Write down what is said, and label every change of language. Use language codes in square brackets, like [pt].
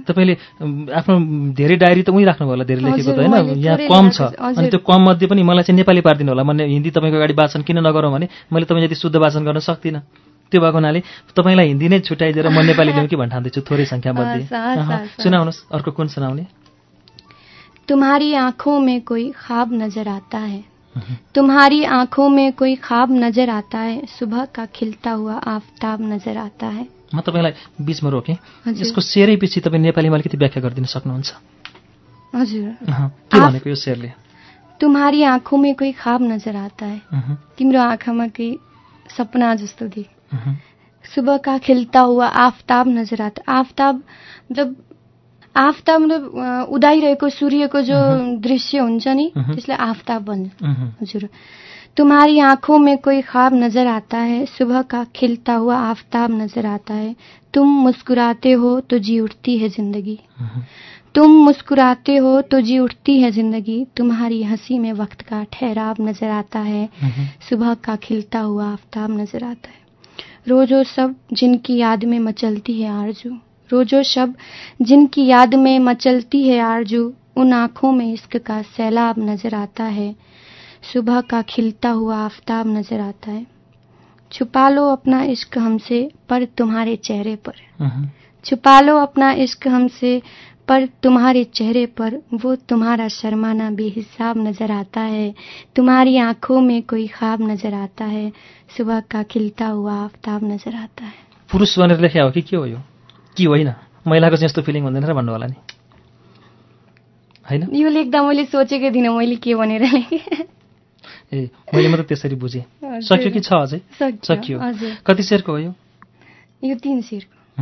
[ne] तपाईँले आफ्नो धेरै डायरी त उहीँ राख्नु होला, धेरै लेखेको त होइन, यहाँ कम छ अनि त्यो कम मध्ये पनि मलाई चाहिँ नेपाली पारिदिनु होला, मैले हिन्दी तपाईँको अगाडि वाचन किन नगरौँ भने मैले तपाईँ जति शुद्ध वाचन गर्न सक्दिनँ, त्यो भएको हुनाले तपाईँलाई हिन्दी नै छुट्याइदिएर म नेपाली लिउँ कि भन्न थाल्दैछु थोरै संख्या मध्ये। सुनाउनुहोस् अर्को कुन सुनाउने? [hi] तुम्हारी आँखों में कोई ख्वाब नजर आता है, तुम्हारी आंखों में कोई ख्वाब नजर आता है, सुबह का खिलता हुआ आफ्ताब नजर आता है। [ne] म तपाईलाई बीचमा रोके, यसको शेरै पछि तपाई नेपालीमा अलिकति व्याख्या गरिदिन सक्नुहुन्छ? हजुर। के भनेको यो शेरले? [hi] तुम्हारी आंखों में कोई ख्वाब नजर आता है, [ne] तिम्रो आँखामा केही सपना जस्तो दि, [hi] सुबह का खिलता हुआ आफ्ताब नजर आता है। [ne] आफ्ताब जब आफ्ताब मतलब उदाइरहेको सूर्यको जो दृश्य हुन्छ नि त्यसलाई आफ्ताब भन्छ। हजुर। [hi] तुम्हारी आंखों में कोई ख्वाब नजर आता है, सुबह का खिलता हुआ आफ्ताब नजर आता है, तुम मुस्कुराते हो तो जी उठती है जिंदगी, तुम मुस्कुराते हो तो जी उठती है जिंदगी, तुम्हारी हंसी में वक्त का ठहराव नजर आता है, सुबह का खिलता हुआ आफ्ताब नजर आता है। रोजो सब जिनकी याद में मचलती है आरजू, रोजो शब जिनकी याद में मचलती है आरजू, उन आंखों में इश्क का सैलाब नजर आता है, सुबह का खिलता हुआ आफ्ताब नजर आता है। छुपा लो अपना इश्क हमसे पर तुम्हारे चेहरे पर, छुपा लो अपना इश्क हमसे पर तुम्हारे चेहरे पर, वो तुम्हारा शर्माना बेहिसाब नजर आता है, तुम्हारी आंखों में कोई ख्वाब नजर आता है, सुबह का खिलता हुआ आफ्ताब नजर आता है। [ne] पुरुष भनेर लेख्या हो कि के हो यो? कि होइन, महिलाको चाहिँ यस्तो फिलिङ हुँदैन र भन्नु होला नि, होइन? यो लेख्दा मैले सोचेकै थिइनँ मैले के भनेर लेखेँ। ए, मैले मात्र त्यसरी बुझेँ। सक्यो कि छ अझै? सक्यो। कति शेरको हो यो? यो 3 शेरको।